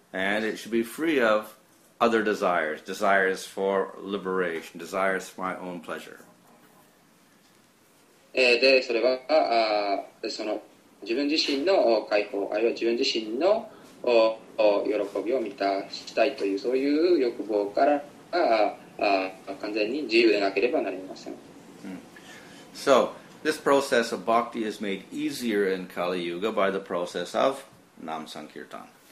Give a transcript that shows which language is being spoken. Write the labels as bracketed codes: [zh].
[en] And it should be free of other desires, desires for liberation, desires for my own pleasure. [ja] で、それは、その自分自身の解放、あるいは自分自身の喜びを満たしたいという、そういう欲望から、完全に自由でなければなりません。 [en] So, this process of bhakti is made easier in Kali Yuga by the process of Nam Sankirtan.